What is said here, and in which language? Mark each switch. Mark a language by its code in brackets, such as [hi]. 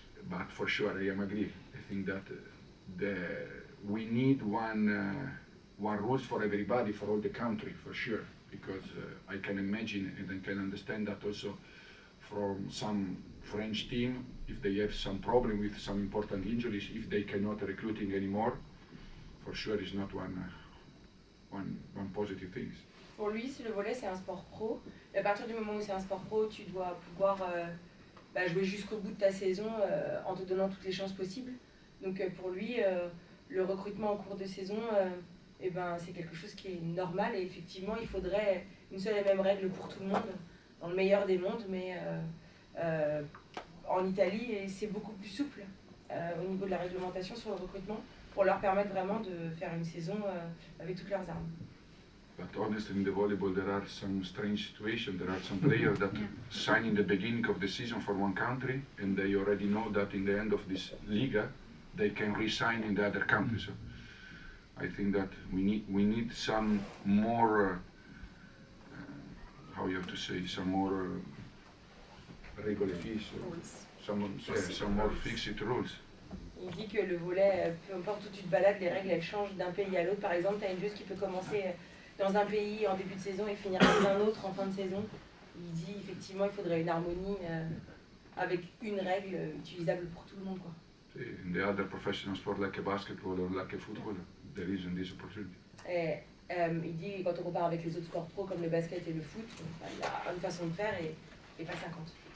[en] But for sure, I am agree. I think that we need one rules for everybody, for all the country, for sure, because I can imagine and I can understand that also from some French team, if they have some problem with some important injuries, if they cannot recruiting anymore, for sure is not one positive thing. [fr] Pour lui, si le volley c'est un sport pro, à partir du moment où c'est un sport pro, tu dois pouvoir jouer jusqu'au bout de ta saison en te donnant toutes les chances possibles. Donc pour lui, le recrutement en cours de saison, c'est quelque chose qui est normal. Et effectivement, il faudrait une seule et même règle pour tout le monde, dans le meilleur des mondes. Mais en Italie, c'est beaucoup plus souple au niveau de la réglementation sur le recrutement pour leur permettre vraiment de faire une saison avec toutes leurs armes. [en] But honestly, in the volleyball, there are some strange situations. There are some players that sign in the beginning of the season for one country, and they already know that in the end of this Liga, they can re-sign in the other countries. So I think that we need some more how you have to say, some more regular fees, some more fixed rules. [fr] Il dit que le volet, peu importe où tu te balades, les règles, elles changent d'un pays à l'autre. Par exemple, tu as une joueuse qui peut commencer dans un pays en début de saison et finir dans un autre en fin de saison. Il dit effectivement, il faudrait une harmonie avec une règle utilisable pour tout le monde, quoi. [en] In the other professional sport like a basketball or like a football, there isn't this opportunity. [fr] Et, il dit quand on compare avec les autres sports pro comme le basket et le foot, il y a une façon de faire et pas 50.